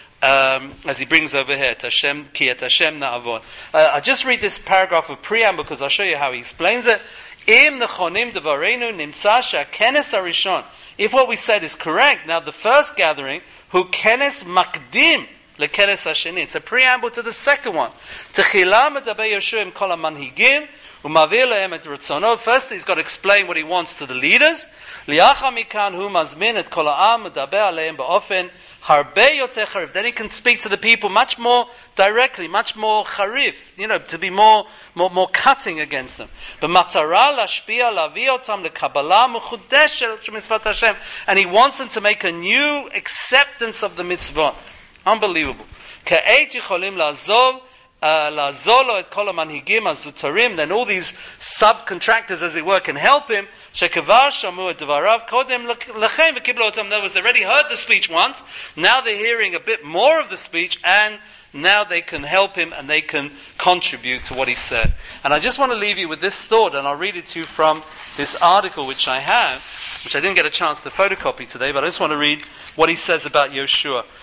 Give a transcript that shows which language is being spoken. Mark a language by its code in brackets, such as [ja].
[en] As he brings over here, [he] Tashem ki Tashem na'avon. [en] I just read this paragraph of preamble because I'll show you how he explains it. [he] Im nechonim devarenu nimtza shekenes arishon. [en] If what we said is correct, now the first gathering, who kenes makdim [he] לכנס השני. [en] It's a preamble to the second one. [he] תחילה מדבר ישוע עם כל המנהיגים, ומעביר להם את רצונו. [en] First, he's got to explain what he wants to the leaders. [he] לאחר מכאן, הוא מזמין את כל העם, מדבר עליהם באופן הרבה יותר חריף. [en] Then he can speak to the people much more directly, much more חריף, you know, to be more cutting against them. [he] במטרה להשפיע, להביא אותם לקבלה מחודשת של מצוות השם. [en] And he wants them to make a new acceptance of the mitzvah. Unbelievable. [he] כעת יכולים לעזוב, לעזור לו את כל המנהיגים הזוטרים, [en] then all these subcontractors, as it were, can help him, [he] שכבר שמעו את דבריו קודם לכם, וקיבלו אותם. [en] In other words, they already heard the speech once, now they're hearing a bit more of the speech, and now they can help him, and they can contribute to what he said. And I just want to leave you with this thought, and I'll read it to you from this article which I have, which I didn't get a chance to photocopy today, but I just want to read what he says about Yeshua.